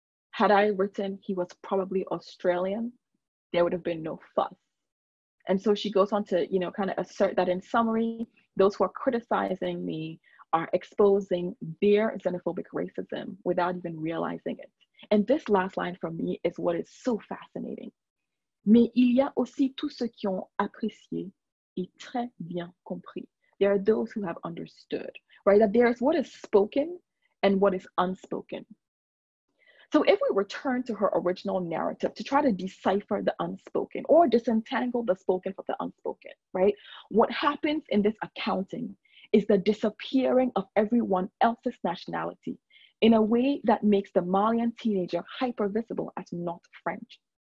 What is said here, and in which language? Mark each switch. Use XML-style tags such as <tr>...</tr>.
<en>Had I written he was probably Australian, there would have been no fuss. And so she goes on to, you know, kind of assert that in summary, those who are criticizing me are exposing their xenophobic racism without even realizing it. And this last line for me is what is so fascinating.</en> <fr>Mais il y a aussi tous ceux qui ont apprécié et très bien compris.</fr> <en>There are those who have understood, right? That there is what is spoken and what is unspoken. So if we return to her original narrative to try to decipher the unspoken or disentangle the spoken from the unspoken, right? What happens in this accounting is the disappearing of everyone else's nationality in a way that makes the Malian teenager hyper-visible as not French.</en>